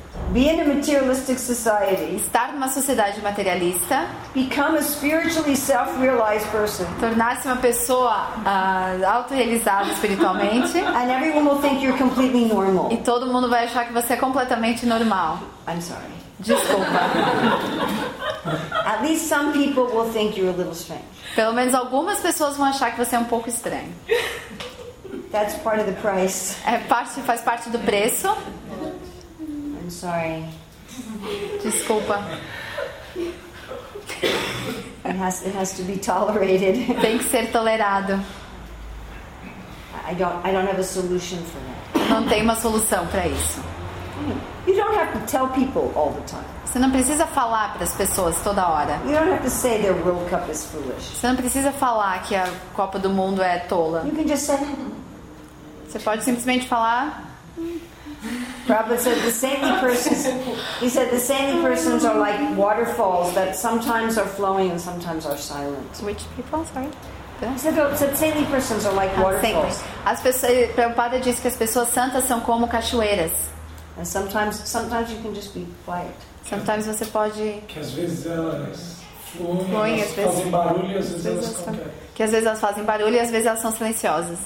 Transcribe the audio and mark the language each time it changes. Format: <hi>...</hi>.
<en>Be in a materialistic society.</en> <pt>Estar numa sociedade materialista.</pt> <en>Become a spiritually self-realized person.</en> <pt>Tornar-se uma pessoa auto-realizada espiritualmente.</pt> <en>And everyone will think you're completely normal.</en> <pt>E todo mundo vai achar que você é completamente normal.</pt> <en>I'm sorry.</en> <pt>Desculpa.</pt> <en>At least some people will think you're a little strange.</en> <pt>Pelo menos algumas pessoas vão achar que você é um pouco estranho.</pt> <en>That's part of the price.</en> <pt>Faz parte do preço.</pt> <en>Sorry.</en> <pt>Desculpa.</pt> <en>It has to be tolerated.</en> <pt>Tem que ser tolerado.</pt> <en>I don't have a solution for that.</en> <pt>Não tem uma solução para isso.</pt> <en>You don't have to tell people all the time.</en> <pt>Você não precisa falar para as pessoas toda hora.</pt> <en>You don't have to say their World Cup is foolish.</en> <pt>Você não precisa falar que a Copa do Mundo é tola.</pt> <en>You can just say.</en> <pt>Você pode simplesmente falar.</pt> <en>Prabhupada said the saintly persons. He said the saintly persons are like waterfalls that sometimes are flowing and sometimes are silent. Which people? Sorry. He said saintly persons are like waterfalls.</en> <pt>As pessoas, Prabhupada disse que as pessoas santas são como cachoeiras.</pt> <en>And sometimes you can just be quiet. Sometimes</en> <pt>você pode. Que às vezes elas fluem, às vezes fazem barulho, às vezes elas contam. Que às vezes elas fazem barulho e às vezes elas são silenciosas.</pt>